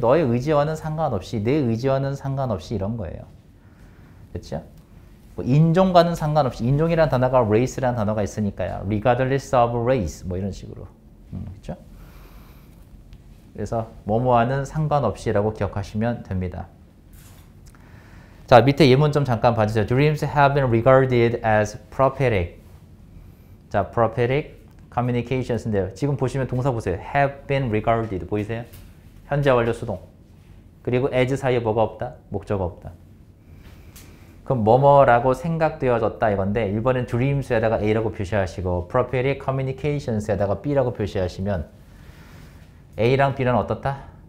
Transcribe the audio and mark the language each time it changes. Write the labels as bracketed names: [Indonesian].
[Korean] 너의 의지와는 상관없이, 내 의지와는 상관없이 이런 거예요. 그렇죠? 뭐 인종과는 상관없이, 인종이라는 단어가 race라는 단어가 있으니까요. [English] regardless of race, [Korean] 뭐 이런 식으로. 그렇죠? 그래서, 뭐뭐와는 상관없이라고 기억하시면 됩니다. 자, 밑에 예문 좀 잠깐 봐주세요. [English] Dreams have been regarded as prophetic. [Korean] 자, prophetic communications인데요. 지금 보시면 동사 보세요. [English] have been regarded. [Korean] 보이세요? 현재 완료 수동. 그리고 as 사이에 뭐가 없다? 목적어 없다. 그럼 뭐뭐라고 생각되어졌다 이건데, 1번은 dreams에다가 a라고 표시하시고, prophetic communications에다가 b라고 표시하시면, a랑 b는 어떻다?